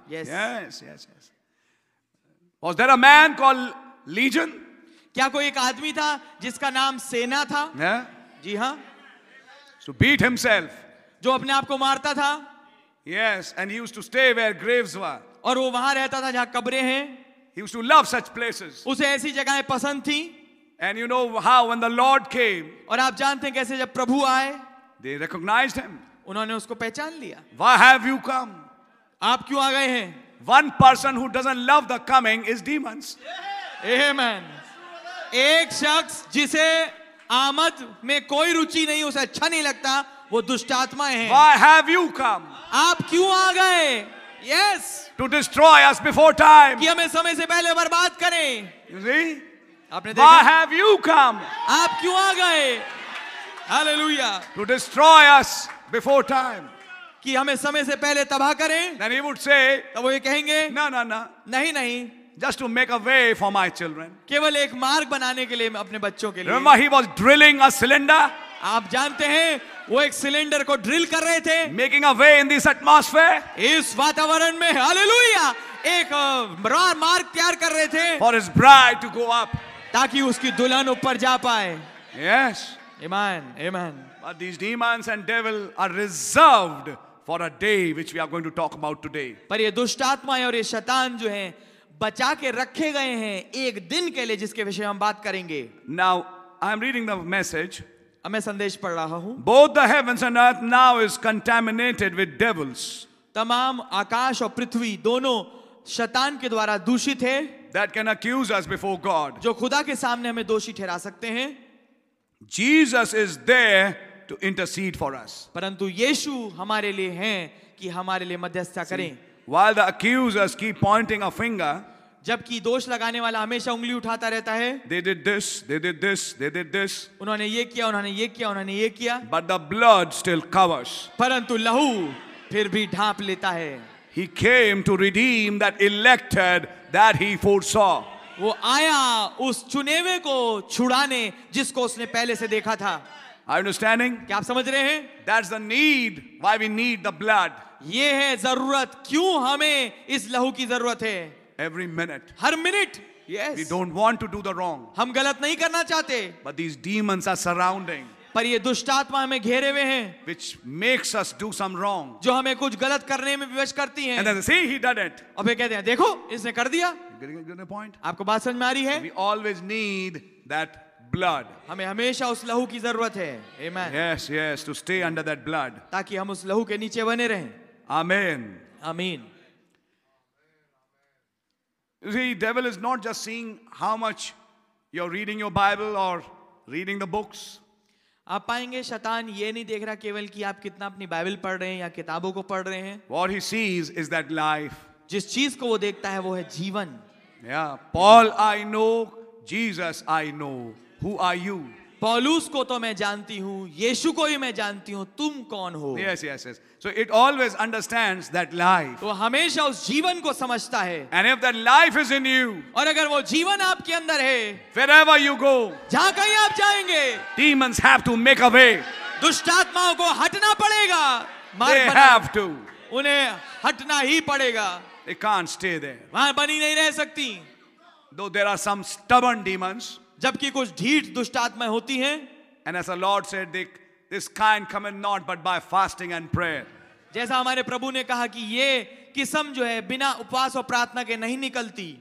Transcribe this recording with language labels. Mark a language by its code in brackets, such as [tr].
[en] Yes. Yes, yes, yes. Was there a man called Legion? [hi] क्या कोई एक आदमी था जिसका नाम सेना था? [en] Yeah. [hi] जी हाँ. [en] To beat himself. [hi] जो अपने आप को मारता था. [en] Yes, and he used to stay where graves were. [hi] और वो वहां रहता था जहां कब्रें हैं. [en] He used to love such places. [hi] उसे ऐसी जगहें पसंद थीं. [en] And you know how when the Lord came. [hi] और आप जानते हैं कैसे जब प्रभु आए. [en] They recognized him. [hi] उन्होंने उसको पहचान लिया. [en] Why have you come? [hi] आप क्यों आ गए हैं? [en] One person who doesn't love the coming is demons. Amen. [hi] एक शख्स जिसे आमद में कोई रुचि नहीं, उसे अच्छा नहीं लगता, वो दुष्टात्माएं हैं. [en] Why have you come? [hi] आप क्यों आ गए? Yes. [en] To destroy us before time. [hi] कि हमें समय से पहले बर्बाद करें. [en] You see? [hi] आपने देखा? [en] Why have you come? [hi] आप क्यों आ गए? Hallelujah. [en] To destroy us before time. [hi] कि हमें समय से पहले तबाह करें. [en] Then he would say. [hi] तब वो ये कहेंगे? [en] No, no, no. [hi] नहीं, नहीं. [en] Just to make a way for my children. [hi] केवल एक मार्ग बनाने के लिए अपने बच्चों के लिए. [en] Remember, he was drilling a cylinder. [hi] आप जानते हैं वो एक सिलेंडर को ड्रिल कर रहे थे. [en] Making a way in this atmosphere. [hi] इस वातावरण में, हालेलुया, एक मार्ग तैयार कर रहे थे. [en] For his bride to go up. [hi] ताकि उसकी दुल्हन ऊपर जा पाए. [en] Yes. Amen. Amen. But these demons and devil are reserved for a day which we are going to talk about today. [hi] पर ये दुष्ट आत्माएं और ये शैतान जो हैं, बचा के रखे गए हैं एक दिन के लिए जिसके विषय हम बात करेंगे. [en] Now I am reading the message. [hi] मैं संदेश पढ़ रहा हूं. [en] Both the heavens and earth now is contaminated with devils. [hi] तमाम आकाश और पृथ्वी दोनों शैतान के द्वारा दूषित है. [en] That can accuse us before God. [hi] जो खुदा के सामने हमें दोषी ठहरा सकते हैं. [en] Jesus is there to intercede for us. [hi] परंतु यीशु हमारे लिए हैं कि हमारे लिए मध्यस्थता करें. [en] While the accusers keep pointing a finger. [hi] जबकि दोष लगाने वाला हमेशा उंगली उठाता रहता है. [en] They did this, they did this, they did this. [hi] उन्होंने ये किया, उन्होंने ये किया, उन्होंने ये किया. [en] But the blood still covers. [hi] परंतु लहू फिर भी ढांप लेता है. [en] He came to redeem that elected that he foresaw. [hi] वो आया उस चुनेवे को छुड़ाने जिसको उसने पहले से देखा था. [en] Are you understanding? [hi] क्या आप समझ रहे हैं? [en] That's the need why we need the blood. [hi] ये है जरूरत, क्यों हमें इस लहू की जरूरत है. [en] Every minute. [hi] हर minute. [en] Yes. We don't want to do the wrong. [hi] हम गलत नहीं करना चाहते. [en] But these demons are surrounding. [hi] पर ये दुष्ट आत्मा हमें घेरे हुए हैं. [en] Which makes us do some wrong. [hi] जो हमें कुछ गलत करने में विवश करती हैं. [en] And then see, he did it. [hi] अबे कहते हैं, देखो, इसने कर दिया. [en] Getting a point? [hi] आपको बात समझ में आ रही है? [en] We always need that blood. [hi] हमें हमेशा उस लहू की जरूरत है. [en] Amen. Yes, yes, to stay under that blood. [hi] ताकि हम उस लहू के नीचे बने रहें. [en] Amen. Amen. You see, devil is not just seeing how much you're reading your Bible or reading the books. [hi] आप पाएंगे शैतान ये नहीं देख रहा केवल कि आप कितना अपनी बाइबल पढ़ रहे हैं या किताबों को पढ़ रहे हैं. [en] What he sees is that life. [hi] जिस चीज को वो देखता है वो है जीवन. [en] Yeah, Paul I know, Jesus I know. Who are you? [hi] पौलुस को तो मैं जानती हूँ, यीशु को ही मैं जानती हूँ, तुम कौन हो? [en] Yes, yes, yes. So it always understands that life. [hi] वो हमेशा उस जीवन को समझता है. [en] And if that life is in you. [hi] और अगर वो जीवन आपके अंदर है. [en] Wherever you go. [hi] जहाँ कहीं आप जाएंगे. [en] Demons have to make a way. [hi] दुष्टात्माओं को हटना पड़ेगा. [en] They have to. [hi] उन्हें हटना ही पड़ेगा. [en] They can't stay there. [hi] वहाँ बनी नहीं रह सकती. [en] Though there are some stubborn demons. [hi] जबकि कुछ ढीठ दुष्ट आत्माएं होती हैं. [en] And as the Lord said, this kind cometh not but by fasting and prayer. [hi] जैसा हमारे प्रभु ने कहा कि ये किस्म जो है बिना उपवास और प्रार्थना के नहीं निकलती.